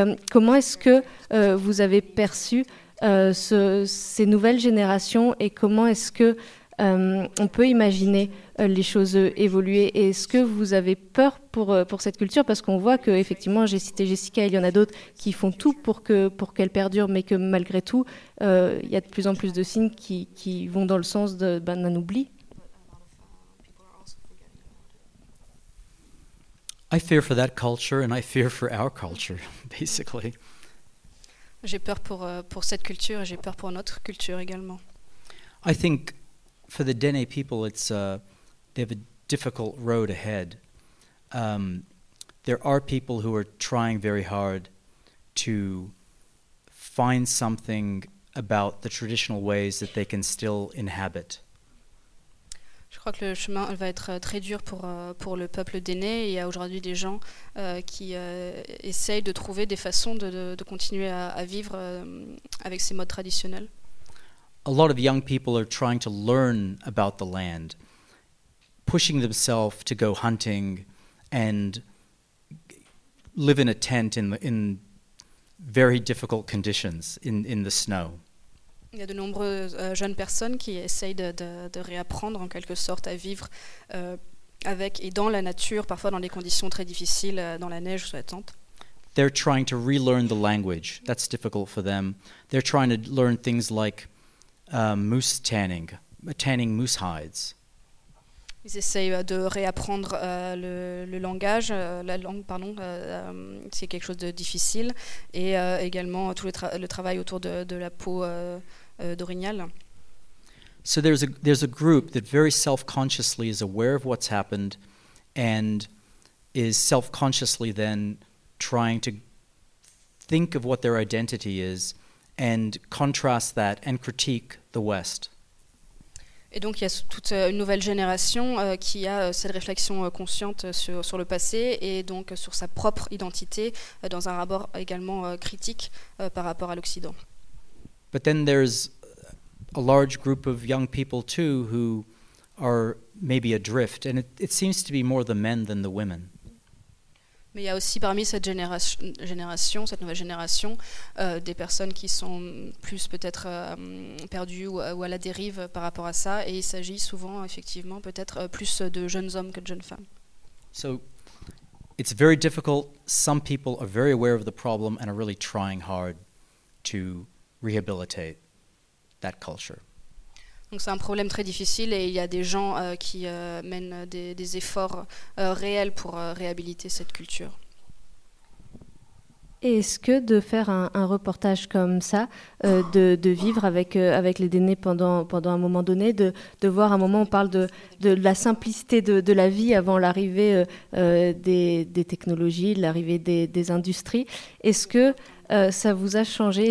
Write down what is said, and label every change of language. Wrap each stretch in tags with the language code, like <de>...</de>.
<fr>Comment est-ce que vous avez perçu ces nouvelles générations, et comment est-ce que on peut imaginer les choses évoluer? Et est-ce que vous avez peur pour cette culture? Parce qu'on voit qu'effectivement, j'ai cité Jessica, il y en a d'autres qui font tout pour qu'elle perdure, mais que malgré tout, il y a de plus en plus de signes qui vont dans le sens d'un oubli.</fr> <en>I fear for that culture and I fear for our culture, basically.</en> <fr>J'ai peur pour cette culture et j'ai peur pour notre culture également.</fr> <en>I think for the Dene people, they have a difficult road ahead. There are people who are trying very hard to find something about the traditional ways that they can still inhabit.</en> <fr>Je crois que le chemin va être très dur pour le peuple Dene. Il y a aujourd'hui des gens qui essayent de trouver des façons de continuer à vivre avec ces modes traditionnels.</fr> <en>A lot of young people are trying to learn about the land, pushing themselves to go hunting and live in a tent in very difficult conditions in the snow.</en> <fr>Il y a de nombreuses jeunes personnes qui essayent de réapprendre en quelque sorte à vivre avec et dans la nature, parfois dans des conditions très difficiles, dans la neige sous la tente.</fr> <en>They're trying to relearn the language. That's difficult for them. They're trying to learn things like moose tanning, tanning moose hides.</en> <fr>Ils essayent de réapprendre le langage, la langue, pardon, c'est quelque chose de difficile, et également tout le travail autour de la peau d'orignal.</fr> <en>So there's a group that very self-consciously is aware of what's happened and is self-consciously then trying to think of what their identity is and contrast that and critique the West.</en> <fr>Et donc il y a toute une nouvelle génération qui a cette réflexion consciente sur le passé et donc sur sa propre identité dans un rapport également critique par rapport à l'Occident.</fr> <en>But then there's a large group of young people too who are maybe adrift, and it seems to be more the men than the women.</en> <fr>Mais il y a aussi parmi cette génération, cette nouvelle génération, des personnes qui sont plus peut-être perdues ou à la dérive par rapport à ça. Et il s'agit souvent, effectivement, peut-être plus de jeunes hommes que de jeunes femmes.</fr> <en>So, It's very difficult. Some people are very aware of the problem and are really trying hard to rehabilitate that culture.</en> <fr>Donc c'est un problème très difficile et il y a des gens qui mènent des efforts réels pour réhabiliter cette culture. Et est-ce que de faire un reportage comme ça, de vivre avec les Dénés pendant un moment donné, de voir un moment où on parle de la simplicité de la vie avant l'arrivée des technologies, l'arrivée des industries, est-ce que ça vous a changé?</fr>